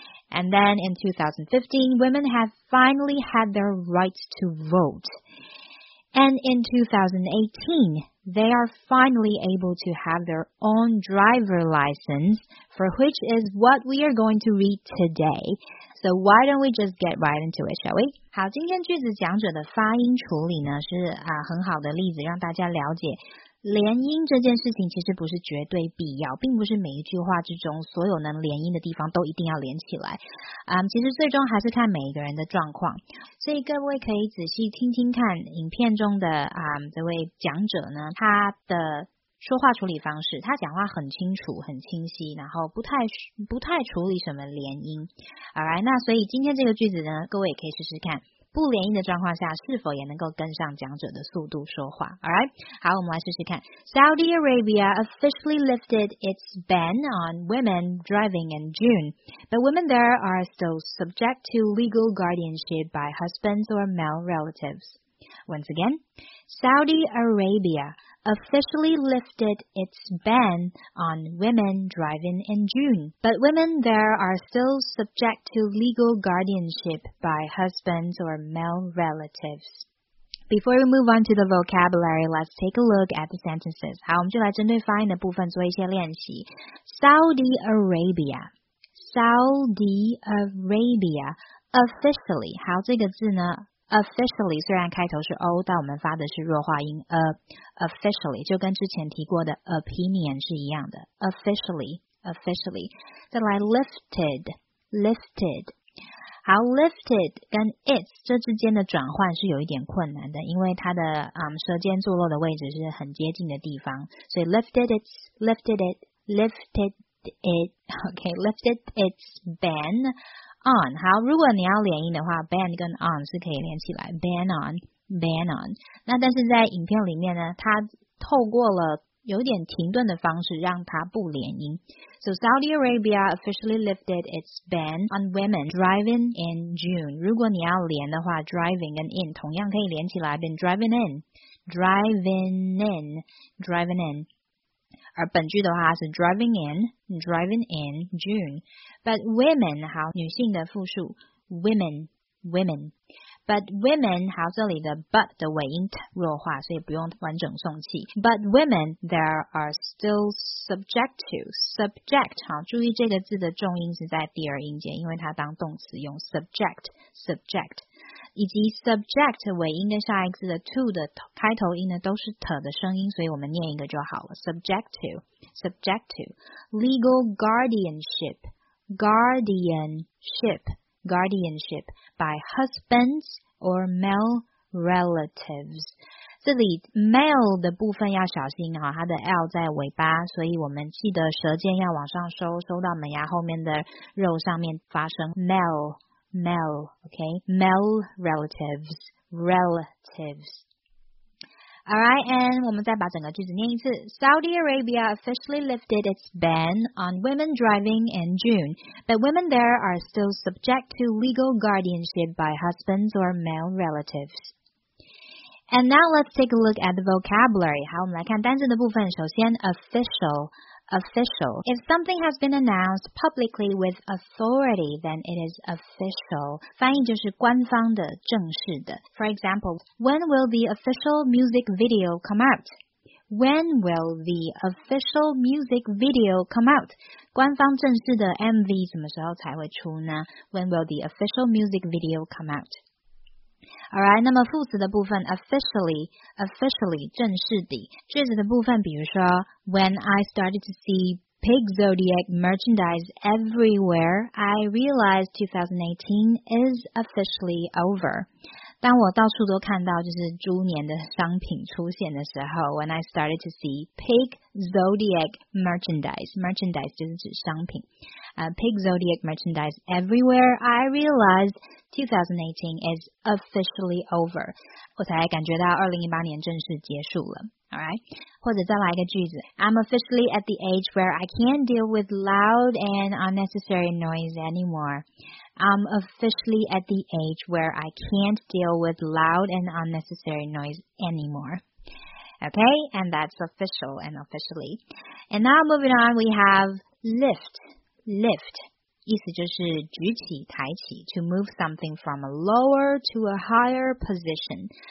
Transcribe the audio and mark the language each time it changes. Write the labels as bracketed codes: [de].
[en] And then in 2015, women have finally had their rights to vote. And in 2018, they are finally able to have their own driver license, for which is what we are going to read today. So why don't we just get right into it, shall we? [zh] 好，今天句子讲者的发音处理呢，是很好的例子，让大家了解联音这件事情其实不是绝对必要，并不是每一句话之中所有能联音的地方都一定要连起来。其实最终还是看每一个人的状况。所以各位可以仔细听听看影片中的这位讲者呢，他的说话处理方式，他讲话很清楚很清晰，然后不太处理什么联音。 Alright, 那所以今天这个句子呢，各位也可以试试看。不联姻的状况下是否也能够跟上讲者的速度说话 Alright? 好我们来试试看 [en] Saudi Arabia officially lifted its ban on women driving in June But women there are still subject to legal guardianship by husbands or male relatives Once again Saudi Arabia officially lifted its ban on women driving in June. But women there are still subject to legal guardianship by husbands or male relatives. Before we move on to the vocabulary, let's take a look at the sentences. [zh] 好，我们就来针对发音的部分做一些练习。Saudi Arabia. [en] Saudi Arabia. Officially. [zh] 好，这个字呢Officially, 虽然开头是 O, 但我们发的是弱化音 Officially, 就跟之前提过的 opinion 是一样的 Officially, officially 再来 lifted, lifted 好 lifted 跟 its 这之间的转换是有一点困难的因为它的舌尖坐落的位置是很接近的地方所以 [en] lifted its, lifted it, lifted it OK, lifted its ban on, [zh] 好如果你要联音的话 ,ban 跟 on 是可以连起来 , [en] ban on, ban on, [zh] 那但是在影片里面呢它透过了有点停顿的方式让它不联音。 [en] So Saudi Arabia officially lifted its ban on women driving in June. [zh] 如果你要连的话 driving 跟 in 同样可以连起来变 [en] driving in, driving in, driving in. [zh] 而本句的话是 [en] driving in June. But women, [zh] 好，女性的复数 [en] women, women. But women, [zh] 好，这里的 but 的尾音 t 弱化，所以不用完整送气。 [en] But women, there are still subject to, subject, [zh] 好，注意这个字的重音是在第二音节，因为它当动词用 subject, subject. 以及 subject 尾音跟下一次的 to 的开头音呢都是 t 的声音，所以我们念一个就好了。 [en] Subject to legal guardianship by husbands or male relatives。 [zh] 这里 male 的部分要小心啊，它的 l 在尾巴，所以我们记得舌尖要往上收，收到门牙后面的肉上面发声 male。 [en] Male, okay? Male relatives, relatives. [zh] Alright, and 我们再把整个句子念一次。 [en] Saudi Arabia officially lifted its ban on women driving in June, but women there are still subject to legal guardianship by husbands or male relatives. And now let's take a look at the vocabulary. [zh] 好，我们来看单字的部分。 [en] 首先 official. Official. If something has been announced publicly with authority, then it is official. [zh] 翻译就是官方的、正式的。 [en] For example, when will the official music video come out? When will the official music video come out? [zh] 官方正式的 MV 什么时候才会出呢？ [en] When will the official music video come out? [zh] Alright, 那么副词的部分 officially, 正式的。句子的部分比如说 [en] When I started to see Pig Zodiac merchandise everywhere, I realized 2018 is officially over. [zh] 当我到处都看到就是猪年的商品出现的时候 [en] When I started to see Pig Zodiac merchandise [zh] 就是指商品、 [en] Pig Zodiac merchandise everywhere, I realized 2018 is officially over. [zh] 我才感觉到2018年正式结束了。 [en] Alright, 或者再来一个句子 I'm officially at the age where I can't deal with loud and unnecessary noise anymore. I'm officially at the age where I can't deal with loud and unnecessary noise anymore. Okay, and that's official and officially. And now moving on, we have lift, [zh] 意思就是举起、抬起 [en] to move something from a lower to a higher position.